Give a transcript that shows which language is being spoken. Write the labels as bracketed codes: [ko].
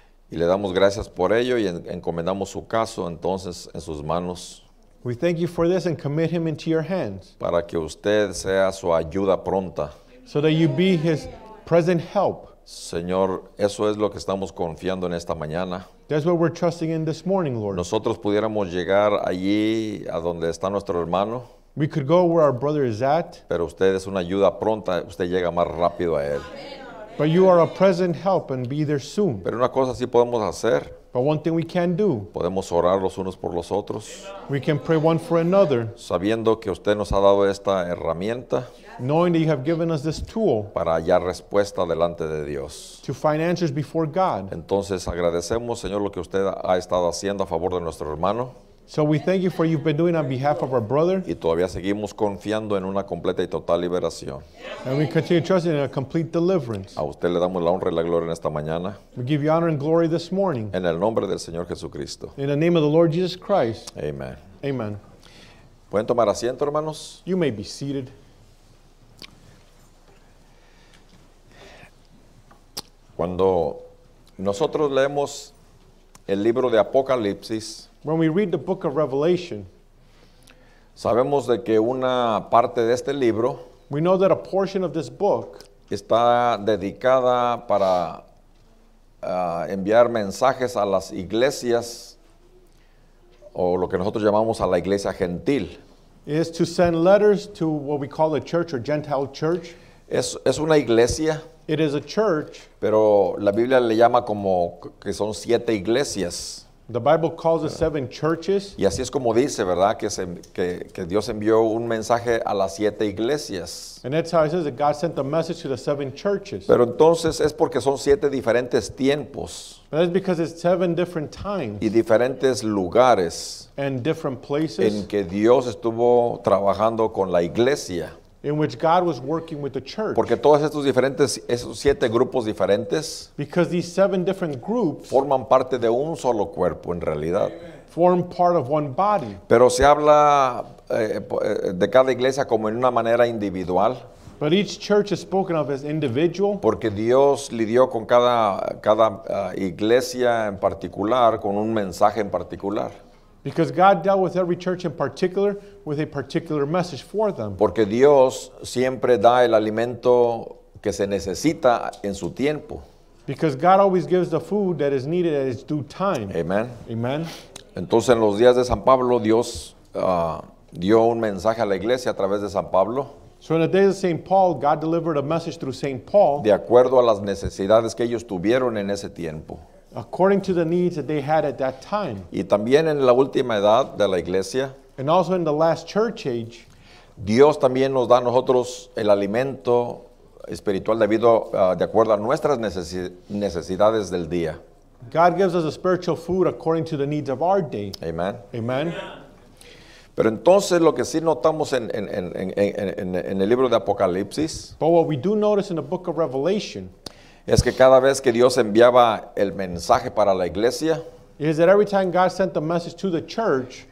[es] Y le damos gracias por ello y encomendamos su caso entonces en sus manos. [en] We thank you for this and commit him into your hands. [es] Para que usted sea su ayuda pronta. [en] So that you be his present help. [es] Señor, eso es lo que estamos confiando en esta mañana. [en] That's what we're trusting in this morning, Lord. [es] Nosotros pudiéramos llegar allí a donde está nuestro hermano. [en] We could go where our brother is at. [es] Pero usted es una ayuda pronta, usted llega más rápido a él. [en] But you are a present help and be there soon. [es] Pero una cosa sí podemos hacer. [en] But one thing we can do. [es] Podemos orar los unos por los otros. [en] We can pray one for another. [es] Sabiendo que usted nos ha dado esta herramienta. [en] Knowing that you have given us this tool. [es] Para hallar respuesta delante de Dios. [en] To find answers before God. [es] Entonces agradecemos, Señor, lo que usted ha estado haciendo a favor de nuestro hermano. [en] So we thank you for what you've been doing on behalf of our brother. [es] Y todavía seguimos confiando en una completa y total liberación. [en] And we continue trusting in a complete deliverance. [es] A usted le damos la honra y la gloria en esta mañana. [en] We give you honor and glory this morning. [es] En el nombre del Señor Jesucristo. [en] In the name of the Lord Jesus Christ. [es] Amen. [en] Amen. [es] ¿Pueden tomar asiento, hermanos? [en] You may be seated. [es] Cuando nosotros leemos el libro de Apocalipsis, [en] when we read the book of Revelation, [es] sabemos de que una parte de este libro, [en] we know that a portion of this book, [es] está dedicada para enviar mensajes a las iglesias, o lo que nosotros llamamos a la iglesia gentil. [en] Is to send letters to what we call a church or Gentile church. [es] Es una iglesia. [en] It is a church. [es] Pero la Biblia le llama como que son siete iglesias. [en] The Bible calls the seven churches. [es] Y así es como dice, ¿verdad? Que Dios envió un mensaje a las siete iglesias. [en] And that's how it says that God sent a message to the seven churches. [es] Pero entonces es porque son siete diferentes tiempos. [en] But that's because it's seven different times. [es] Y diferentes lugares. [en] And different places. [es] En que Dios estuvo trabajando con la iglesia. [en] In which God was working with the church. [es] Porque todos estos diferentes, esos siete grupos diferentes. [en] Because these seven different groups. [es] Forman parte de un solo cuerpo en realidad. [en] Amen. Form part of one body. [es] Pero se habla de cada iglesia como en una manera individual. [en] But each church is spoken of as individual. [es] Porque Dios lidió con cada iglesia en particular, con un mensaje en particular. [en] Because God dealt with every church in particular with a particular message for them. [es] Porque Dios siempre da el alimento que se necesita en su tiempo. [en] Because God always gives the food that is needed at its due time. [es] Amen. [en] Amen. [es] Entonces en los días de San Pablo, Dios dio un mensaje a la iglesia a través de San Pablo. [en] So in the days of St. Paul, God delivered a message through St. Paul. [es] De acuerdo a las necesidades que ellos tuvieron en ese tiempo. [en] According to the needs that they had at that time. [es] Y también en la última edad de la iglesia. [en] And also in the last church age. [es] Dios también nos da a nosotros el alimento espiritual debido de acuerdo a nuestras necesidades del día. [en] God gives us a spiritual food according to the needs of our day. [es] Amen. [en] Amen. [es] Pero entonces lo que sí notamos en el libro de Apocalipsis. [en] But what we do notice in the book of Revelation. [es] Es que cada vez que Dios enviaba el mensaje para la iglesia, [en] is that every time God sent the message to the church,